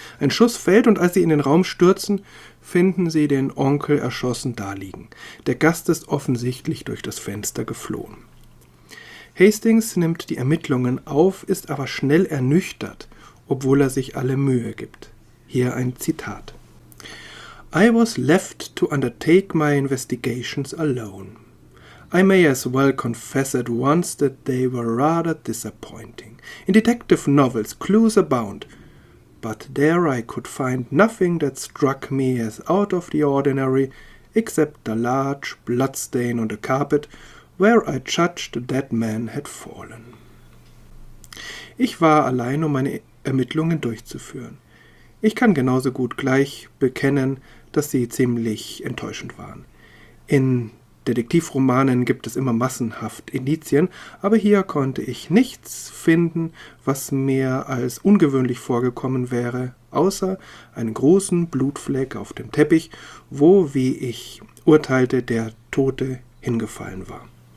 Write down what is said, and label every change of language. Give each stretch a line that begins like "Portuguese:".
German: Ein Schuss fällt und als sie in den Raum stürzen, finden sie den Onkel erschossen daliegen. Der Gast ist offensichtlich durch das Fenster geflohen. Hastings nimmt die Ermittlungen auf, ist aber schnell ernüchtert, obwohl er sich alle Mühe gibt. Hier ein Zitat.
English: "I was left to undertake my investigations alone. I may as well confess at once that they were rather disappointing. In detective novels, clues abound. But there I could find nothing that struck me as out of the ordinary, except the large bloodstain on the carpet where I judged the dead man had fallen.
German: Ich war allein, um meine Ermittlungen durchzuführen. Ich kann genauso gut gleich bekennen, dass sie ziemlich enttäuschend waren. In Detektivromanen gibt es immer massenhaft Indizien, aber hier konnte ich nichts finden, was mir als ungewöhnlich vorgekommen wäre, außer einen großen Blutfleck auf dem Teppich, wo, wie ich urteilte, der Tote hingefallen war.